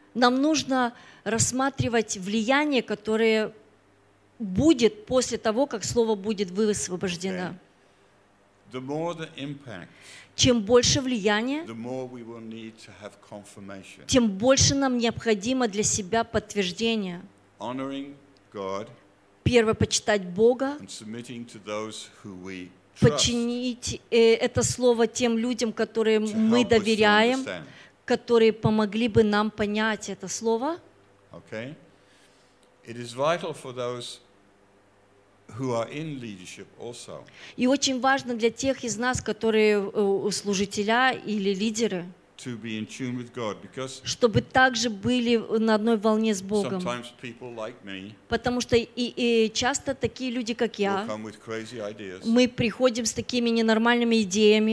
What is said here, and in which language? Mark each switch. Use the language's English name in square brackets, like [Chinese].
[Russian] Нам нужно рассматривать влияние, которое будет после того, как слово будет высвобождено. [English] Okay. The more the impact, [Russian] чем больше влияние, [English] the more we will need to have confirmation. [Russian] Тем больше нам необходимо для себя подтверждение. [English] Honoring God, [Russian] первое, почитать Бога, [English] and submitting to those who we trust, [Russian] подчинить это слово тем людям, которым мы доверяем, которые помогли бы нам понять это слово. [English] Okay. It is vital for those who are in leadership also. [Russian] И очень важно для тех из нас, которые служителя или лидеры, [English] to be in tune with God, because [Russian] чтобы также были на одной волне с Богом. [English] Sometimes people like me, [Russian] потому что и часто такие люди, как я, [English] will come with crazy ideas, [Russian] мы приходим с такими ненормальными идеями,